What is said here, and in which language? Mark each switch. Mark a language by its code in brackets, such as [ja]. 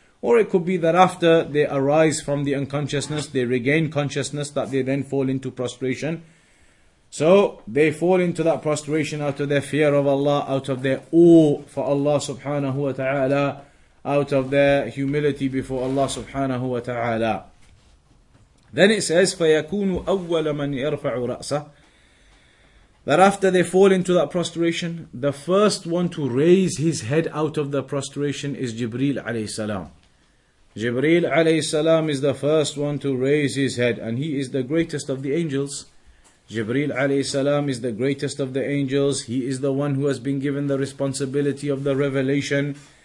[en] Or it could be that after they arise from the unconsciousness, they regain consciousness, that they then fall into prostration. So they fall into that prostration out of their fear of Allah, out of their awe for Allah subhanahu wa ta'ala, out of their humility before Allah subhanahu wa ta'ala. Then it says, [ar] فَيَكُونُ أَوَّلَ مَنْ يَرْفَعُ رَأْسَهُ. [en] That after they fall into that prostration, the first one to raise his head out of the prostration is Jibreel alayhi salam. Jibreel alayhi salam is the first one to raise his head, and he is the greatest of the angels. Jibreel alayhi salam is the greatest of the angels. He is the one who has been given the responsibility of the revelation.